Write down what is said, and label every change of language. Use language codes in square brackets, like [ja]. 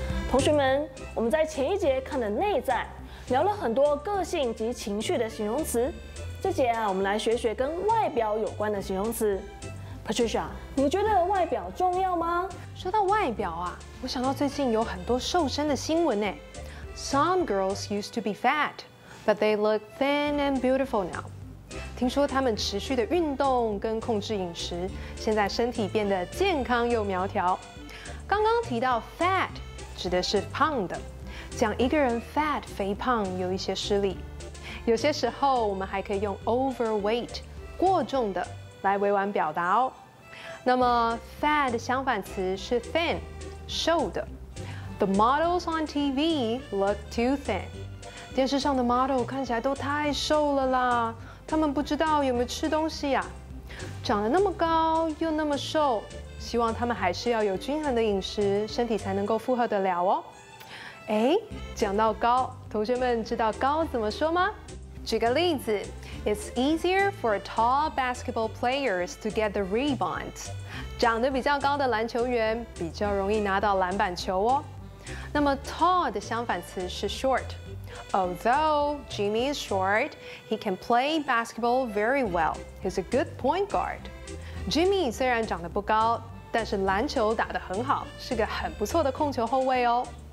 [zh] 同学们，我们在前一节看了内在，聊了很多个性及情绪的形容词。这节啊，我们来学学跟外表有关的形容词。 Patricia， 你觉得外表重要吗？说到外表啊，我想到最近有很多瘦身的新闻呢。 [en] Some girls used to be fat, but they look thin and beautiful now. [zh] 听说他们持续的运动跟控制饮食，现在身体变得健康又苗条。刚刚提到 fat 指的是胖的，讲一个人 fat 肥胖有一些失礼。有些时候我们还可以用 overweight 过重的来委婉表达哦。那么 fat 的相反词是 thin 瘦的。 [en] The models on TV look too thin。 [zh] 电视上的 model 看起来都太瘦了啦。他们不知道有没有吃东西啊，长得那么高又那么瘦，希望他们还是要有均衡的饮食，身体才能够负荷得了哦。哎，讲到高，同学们知道高怎么说吗？举个例子， [en] It's easier for tall basketball players to get the rebound. [zh] 长得比较高的篮球员比较容易拿到篮板球哦。那么 tall 的相反词是 short。 [en] Although Jimmy is short, he can play basketball very well. He's a good point guard. [zh] Jimmy 虽然长得不高，但是篮球打得很好，是个很不错的控球后卫哦。